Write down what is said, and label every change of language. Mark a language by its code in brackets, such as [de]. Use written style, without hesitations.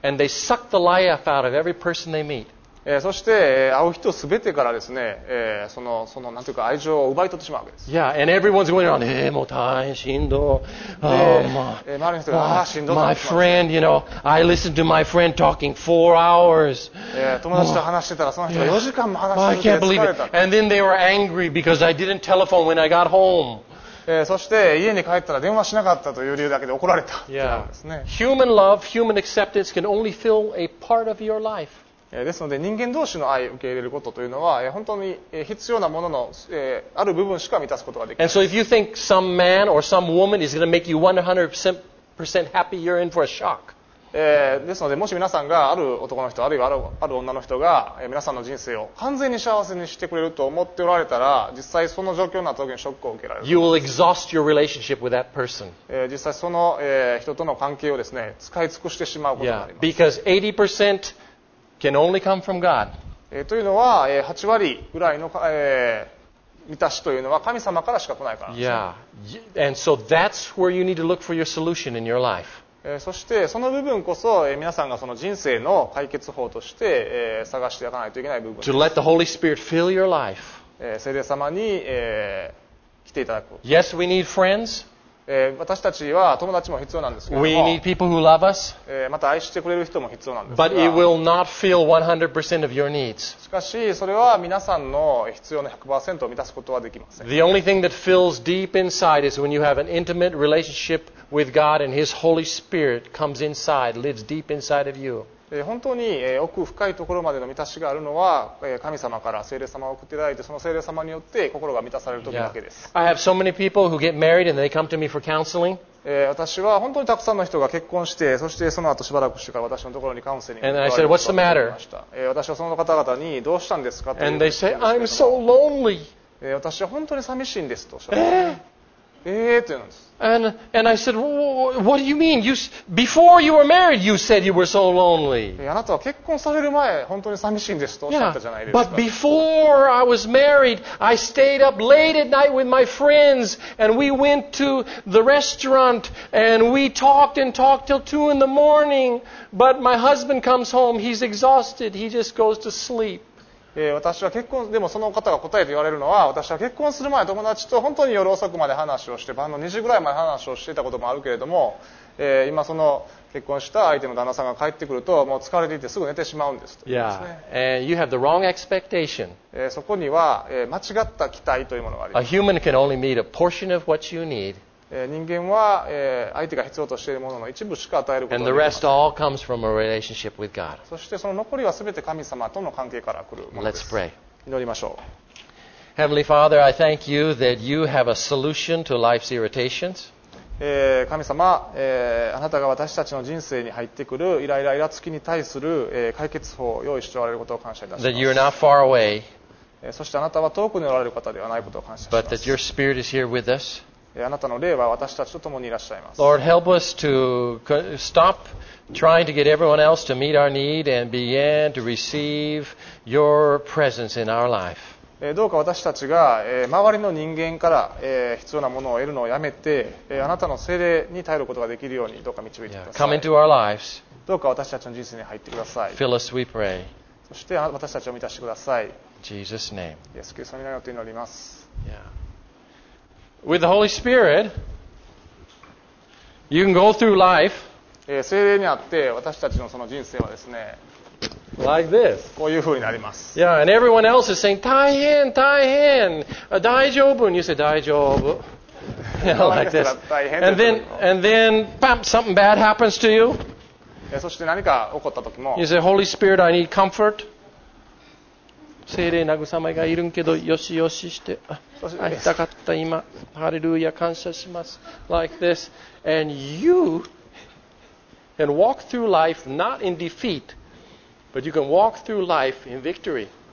[en] And they suck the life out of every person they meet. [ja] そして会う人すべてからですね、そのなんていうか愛情を奪い取ってしまうわけです。 [en] Yeah, and everyone's going around, hey, [ja] もう大変しんど。 [en] My friend, you know, I listened to my friend talking 4 hours. [ja] 友達と話してたらその人が4時間も話してて疲れた。 [en] I can't believe it. And then they were angry because I didn't telephone when I got home. [ja] そして家に帰ったら電話しなかったという理由だけで怒られたですね。 [en] Yeah. Human love, human acceptance can only fill a part of your life. [ja] ですので人間同士の愛を受け入れることというのは本当に必要なもののある部分しか満たすことができない。 [en] And so if you think some man or some woman is going to make you 100% happy, you're in for a shock. [ja] ですのでもし皆さんがある男の人あるいはある女の人が皆さんの人生を完全に幸せにしてくれると思っておられたら実際その状況になった時にショックを受けられる。 [en] You will exhaust your relationship with that person. [ja] 実際その人との関係をですね使い尽くしてしまうことになります。 [en] Yeah, because 80% can only come from God. [ja] というのは8割ぐらいの満たしというのは神様からしか来ないからです。 [en] Yeah, and so that's where you need to look for your solution in your life. [ja] そしてその部分こそ皆さんがその人生の解決法として探していかないといけない部分です。 [en] To let the Holy Spirit fill your life. [ja] 聖霊様に来ていただく。 [en] Yes, we need friends. [ja] 私たちは友達も必要なんですけども。 [en] We need people who love us. [ja] また愛してくれる人も必要なんですが。 [en] But it will not fill 100% of your needs. [ja] しかしそれは皆さんの必要の 100% を満たすことはできません。 [en] The only thing that fills deep inside is when you have an intimate relationship. With God and His Holy Spirit comes inside, lives deep inside of you. [ja] 本当に奥深いところまでの満たしがあるのは神様から聖霊様を送っていただいてその聖霊様によって心が満たされる時だけです。 [en] I have so many people who get married and they come to me for counseling. [ja] 私は本当にたくさんの人が結婚してそしてその後しばらくしてから私のところにカウンセリングに来られる。 [en] And I said, What's the matter? [ja] 私はその方々にどうしたんですかと。 [en] And they say, I'm so lonely. [ja] 私は本当に寂しいんですとおっしゃって。 [en] And I said, what do you mean? Before you were married, you said you were so lonely. [ja] あなたは結婚される前、本当に寂しいんですとおっしゃったじゃないですか。 [en] But before I was married, I stayed up late at night with my friends, and we went to the restaurant, and we talked and talked till 2 in the morning. But my husband comes home, he's exhausted, he just goes to sleep. [ja] 私は結婚でもその方が答えて言われるのは私は結婚する前友達と本当に夜遅くまで話をして晩の2時ぐらいまで話をしていたこともあるけれども、今その結婚した相手の旦那さんが帰ってくるともう疲れていてすぐ寝てしまうんですと言うんですね。 [en] Yeah. And you have the wrong expectation. [ja] そこには、間違った期待というものがあります。 [en] A human can only meet a portion of what you need. [ja] 人間は、相手が必要としているものの一部しか与えることができません。 [en] And the rest all comes from a relationship with God. [ja] そしてその残りは全て神様との関係から来るものです。 [en] Let's pray. [ja] 祈りましょう。 [en] Heavenly Father, I thank you that you have a solution to life's irritations. [ja] 神様、あなたが私たちの人生に入ってくるイライライラつきに対する、解決法を用意しておられることを感謝いたします。 [en] That you're not far away. [ja] そしてあなたは遠くにおられる方ではないことを感謝します。 [en] But that your spirit is here with us. [ja] あなたの霊は私たちと共にいらっしゃいます。 [en] Lord, help us to stop trying to get everyone else to meet our need and begin to receive your presence in our life. [ja] どうか私たちが周りの人間から必要なものを得るのをやめて、あなたの聖霊に頼ることができるようにどうか導いてください。 [en] Come into our lives. [ja] どうか私たちの人生に入ってください。 [en] Fill us, we pray. [ja] そして私たちを満たしてください。 [en] Jesus' name. [ja] イエス・キリストの名によって祈ります。 [en] Yeah. With the Holy Spirit, you can go through life. [ja] 聖霊にあって私たちのその人生はですね、 [en] like this. [ja] こういうふうになります。 [en] Yeah, and everyone else is saying, [ja] 大変、大変、大丈夫。 [en] And you say, [ja] 大丈夫。 [en] Yeah, like this. And then, bam, something bad happens to you. [ja] そして何か起こった時も、 [en] you say, Holy Spirit, I need comfort. [ja] 聖霊慰めがいるんけどよしよしして会いたかった今ハレルヤ感謝します [en] like this and you can walk through life not in defeat but you can walk through life in victory